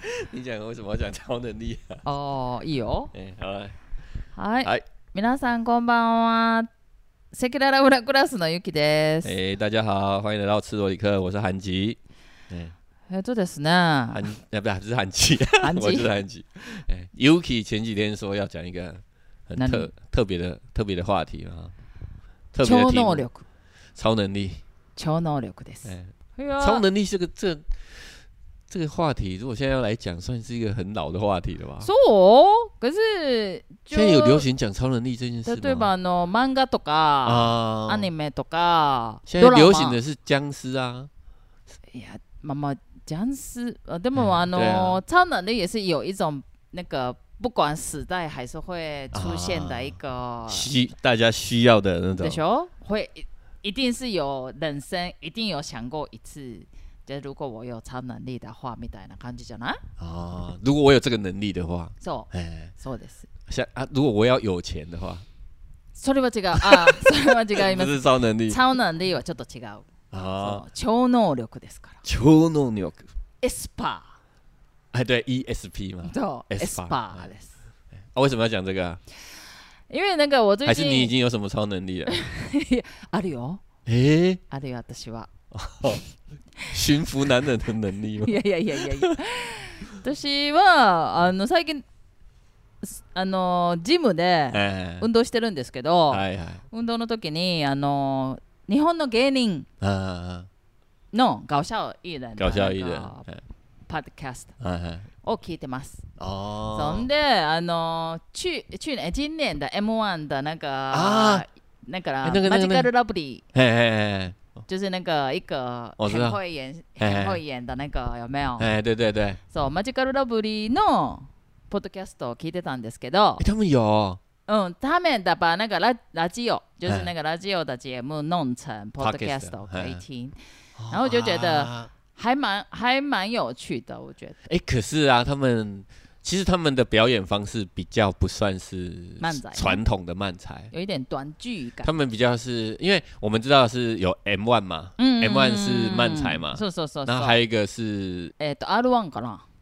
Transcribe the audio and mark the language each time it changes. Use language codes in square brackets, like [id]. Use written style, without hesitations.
[zh] 你讲为什么要讲超能力啊？哦，有。哎，好嘞。 [ja] 嗨，嗨，皆さんこんばんは。セキュララブラグラスのゆきです。 [zh] 哎，大家好，欢迎来到赤裸里克，我是韩吉。 [ja] 哎，そうですね。 [zh] 不是韩吉，我是韩吉。哎，ゆき前几天说要讲一个很特别的话题啊。超能力。超能力。 [ja] 超能力です。 [zh] 超能力是个这个话题，如果现在要来讲，算是一个很老的话题了吧？ [ja] そう， [zh] 可是现在有流行讲超能力这件事吗？ [ja] 例えばあの漫画とか、アニメとか、 [zh] 现在流行的是僵尸啊。 [ja] いや、まあまあ [zh] 僵尸、 [ja] でも [zh] あの超能力也是有一种那个不管时代还是会出现的一个大家需要的那种。 [ja] でしょ？ [zh] 会一定是有人生一定有想过一次。就如果我有超能力的话， [ja] みたいな感じじゃない？ [zh] 啊，如果我有这个能力的话， [ja] そう，哎，そうです。 [zh] 像啊，如果我要有钱的话， [ja] それは違う啊，それは違います。 [zh] 不是超能力， [ja] 超能力はちょっと違う啊，超能力ですから。超能力，ESPER， [zh] 哎，对 ，ESP 嘛， [ja] 对 ，ESPER です。 [zh] 啊，为什么要讲这个？因为那个我最近还是你已经有什么超能力了？ [ja] あるよ。え？あるよ、私は。 [zh] 驯服男人的能力吗？ [ja] いや私はあの最近あのジムで運動してるんですけど、はいはい、運動の時にあの日本の芸人の [zh] 搞笑艺人搞笑艺人 [ja] ポッドキャストを聞いてます。 [zh] 哦、 [ja] そんであの [zh] 去年今年的 M1 的那个那个マジカルラブリー。嘿嘿嘿就是那个一个很会演的那个有没有？哎，对对对。 [ja] So Magical Lovely のポッドキャストを聞いてたんですけど。 [zh] 他们有。嗯，他们的把那个ラジオ就是那个ラジオ的节目弄成 podcast 可以听，然后就觉得还蛮有趣的，我觉得。哎，可是啊，他们其实他们的表演方式比较不算是漫才，传统的漫才有一点短剧感。他们比较是因为我们知道是有 M1 嘛，M1 是漫才嘛，是是是。然后还有一个是 [ja] R1 かな，